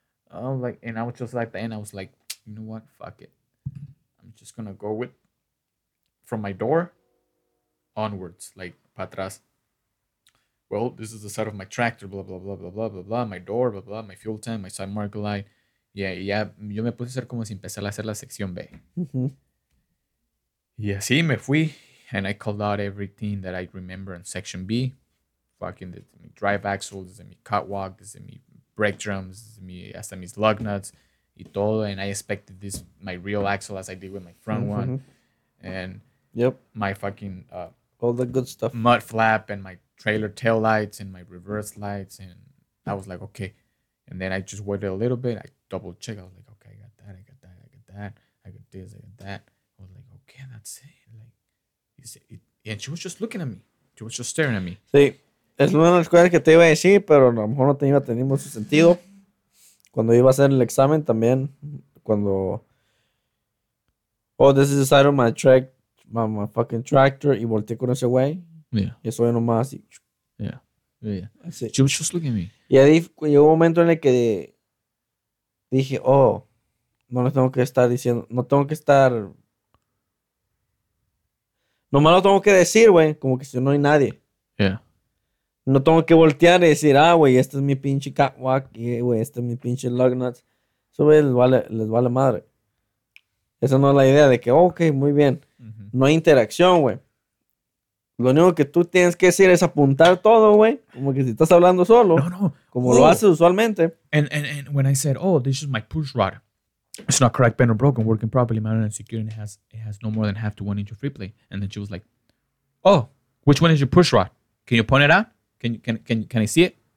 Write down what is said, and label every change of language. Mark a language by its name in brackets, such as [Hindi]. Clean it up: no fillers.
[English] I was like, you know what? Fuck it. I'm just gonna go with from my door onwards, like [Spanish] para atrás. [English] Well, this is the side of my tractor, blah blah blah blah blah blah blah. My door, blah blah. My fuel tank, my side marker light. Yeah, yeah. [Spanish] Yo me puse a hacer como si empezara a hacer la sección B. Mm-hmm. Y así me fui, [English] and I called out everything that I remember in section B. Fucking the drive axle, this is my catwalk, this is my brake drums, this is me [Spanish] hasta mis [English] lug nuts. [Spanish] Y todo, [English] and I expected this, my real axle, as I did with my front one. And my fucking... all the good stuff. Mud flap and my trailer tail lights and my reverse lights. And I was like, okay. And then I just waited a little bit. I double checked. I was like, okay, I got that. I got this, I got that. I was like, okay, that's it. Like, and she was just looking at me. She was just staring at me. [Spanish] Sí, es una de las cosas que te iba a decir, pero a lo mejor no tenía mucho sentido. Cuando iba a hacer el examen también, cuando, [English] oh, this is the side of my track, my fucking tractor, [Spanish] y volteé con ese güey. Yeah. Y eso era nomás. Y, [English] yeah. Yeah. [Spanish] Así. [English] Just look at me. [Spanish] Y ahí llegó un momento en el que dije, oh, no le tengo que estar diciendo, no tengo que estar, nomás lo tengo que decir, güey, como que si no hay nadie. Yeah. No tengo que voltear y decir, ah, güey, este es mi pinche catwalk, güey, este es mi pinche lug nuts. Eso, güey, les vale madre. Esa no es la idea de que, ok, muy bien. No hay interacción, güey. Lo único que tú tienes que decir es apuntar todo, güey. Como que si estás hablando solo. No. Como lo haces usualmente. [English] And when I said, oh, this is my push rod. It's not cracked, bent, or broken, working properly, manual and secure, and it has no more than half to one inch of free play. And then she was like, oh, which one is your push rod? Can you point it out? Can I see it?